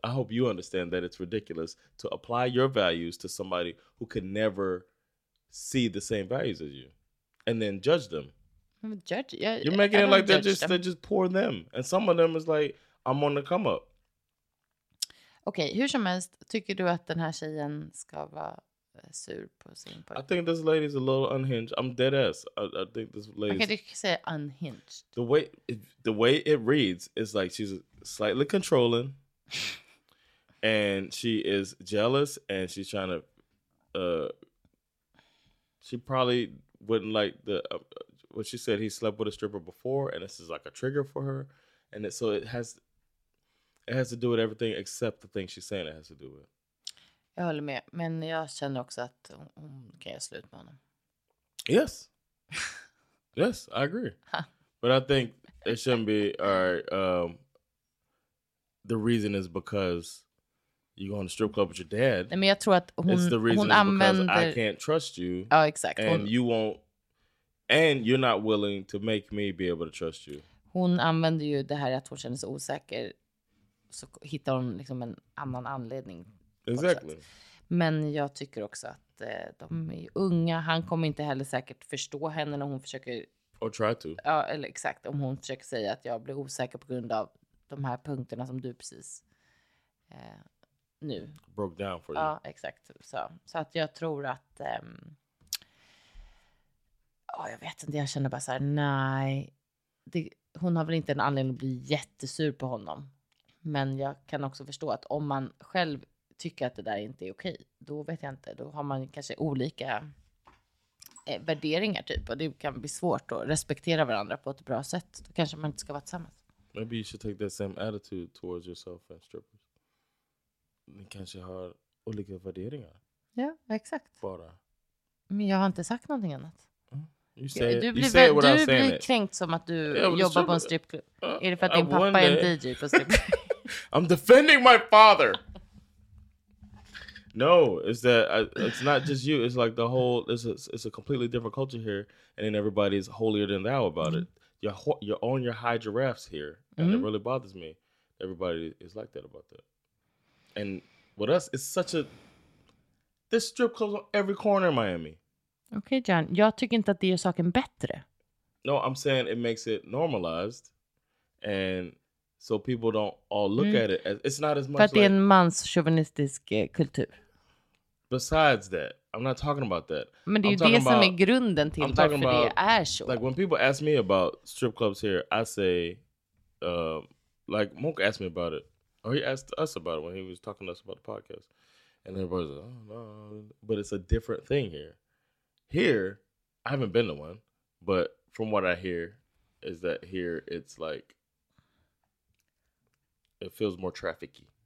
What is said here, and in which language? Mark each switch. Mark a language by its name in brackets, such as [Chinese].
[English] I hope you understand that it's ridiculous to apply your values to somebody who could never see the same values as you and then judge them. Judge? Yeah. You're making it like they're just poor them. And some of them is like, I'm on the come up. [Swedish] Okay, hur som helst, tycker du att den här tjejen ska vara sur på sin part? [English] I think this lady is a little unhinged. I'm dead ass. I think this lady... [Swedish] Okay, du kan säga unhinged. [English] The way it reads is like she's slightly controlling and she is jealous and she's trying to... she probably wouldn't like the... what she said, he slept with a stripper before and this is like a trigger for her. And so it has... It has to do with everything except the thing she's saying it has to do with. [Swedish] Jag håller med. Men jag känner också att hon kan göra slut med honom. [English] Yes. Yes, I agree. But I think it shouldn't be, all right, the reason is because you go on a strip club with your dad. [Swedish] Nej, men jag tror att hon använder... [English] It's the reason [Swedish] hon [English] because I can't trust you. [Swedish] Ja, exakt. [English] And you won't... And you're not willing to make me be able to trust you. [Swedish] Hon använder ju det här att hon känner sig osäker. Så hittar hon liksom en annan anledning. [English] Exactly. [Swedish] Men jag tycker också att de är unga. Han kommer inte heller säkert förstå henne när hon försöker... [English] Or try to. [Swedish] Ja, eller exakt. Om hon försöker säga att jag blir osäker på grund av de här punkterna som du precis nu... [English] Broke down for you. [Swedish] Ja, exakt. Så att jag tror att... jag vet inte. Jag känner bara så här, nej. Hon har väl inte en anledning att bli jättesur på honom. Men jag kan också förstå att om man själv tycker att det där inte är okej, då vet jag inte. Då har man kanske olika värderingar typ. Och det kan bli svårt att respektera varandra på ett bra sätt. Då kanske man inte ska vara tillsammans. [English] Maybe you should take that same attitude towards yourself and strippers. [Swedish] Ni kanske har olika värderingar. Ja, exakt. Bara. Men jag har inte sagt någonting annat. [English] You say it, you [Swedish] du blir kränkt som att du jobbar på en strippklubb. Är det för att din pappa är en DJ på strippklubb? [English] I'm defending my father. No, it's that it's not just you. It's like the whole. It's a completely different culture here, and then everybody's holier than thou about it. You're on your high giraffes here, and it really bothers me. Everybody is like that about that. And with us, it's such a. There's strip clubs on every corner in Miami. [Swedish] Okej, okay, John. Jag tycker inte att det gör saken bättre. [English] No, I'm saying it makes it normalized. And so people don't all look at it. It's not as much [Swedish] like... För det är en manschauvinistisk kultur. [English] Besides that, I'm not talking about that. [Swedish] Men det är [English] I'm [Swedish] ju det som [English] about, [Swedish] är grunden till [English] I'm [Swedish] varför [English] about, [Swedish] det är så. [English] Like when people ask me about strip clubs here, I say... like Monk asked me about it. Or he asked us about it when he was talking to us about the podcast. And everybody's like, oh, no. But it's a different thing here. Here, I haven't been to one, but from what I hear, is that here it's like, it feels more trafficky.